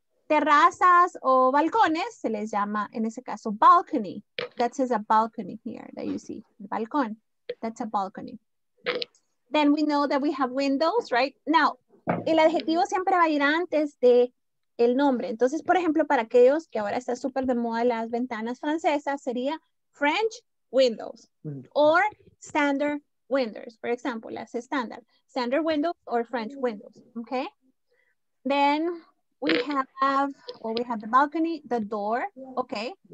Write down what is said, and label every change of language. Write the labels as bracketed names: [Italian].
[Spanish] Terrazas o balcones se les llama, en ese caso, balcony. [English] That says a balcony here that you see. [Spanish] El balcón. [English] That's a balcony. Then we know that we have windows, right? [Spanish] Now, el adjetivo siempre va a ir antes de el nombre. Entonces, por ejemplo, para aquellos que ahora está súper de moda las ventanas francesas, sería [English] French windows or standard windows. For example, [Spanish] las estándar. [English] Standard windows or French windows, okay? Then we have, well, we have the balcony, the door, okay?